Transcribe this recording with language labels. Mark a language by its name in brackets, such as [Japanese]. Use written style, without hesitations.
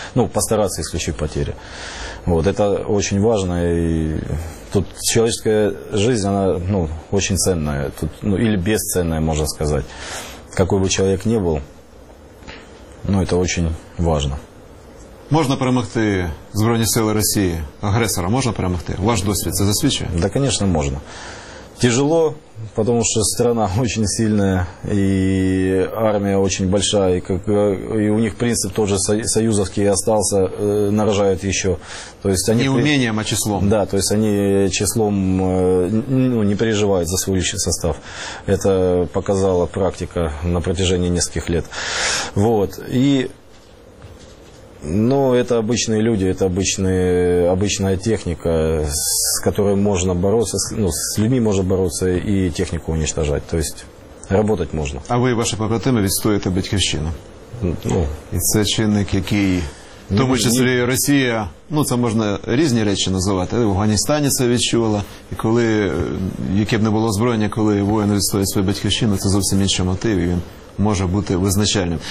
[Russian] Ну, постараться исключить потери. Вот, это очень важно. И тут человеческая жизнь, она, ну, очень ценная. Тут, ну, или бесценная, можно сказать. Какой бы человек ни был, ну, это очень важно. [Ukrainian] Можна перемогти Збройні сили Росії, агресора, можна перемогти? Ваш досвід це засвідчує? Да, звісно, можна. Тяжело, тому що країна дуже сильна, і армія дуже велика, і у них принцип той же союзовський залишився, наражають ще. Тобто не вмінням, а числом. Да, тобто вони числом, ну, не переживають за свій личний состав. Це показала практика [Russian] на протяжении нескольких лет. Вот. І... Ну, это обычные люди, это обычная техника, с которой можно бороться, ну, с людьми можно бороться и технику уничтожать. То есть работать можно. А вы и ваши побратимы [Ukrainian] відстоюєте батьківщину. Ну, і це чинник, який, в тому числі Росія, ну, це можна різні речі називати. В Афганістані це відчувала, і коли, яке б не було озброєння, коли воїн відстоює свою батьківщину, це зовсім інший мотив, і він може бути визначальним.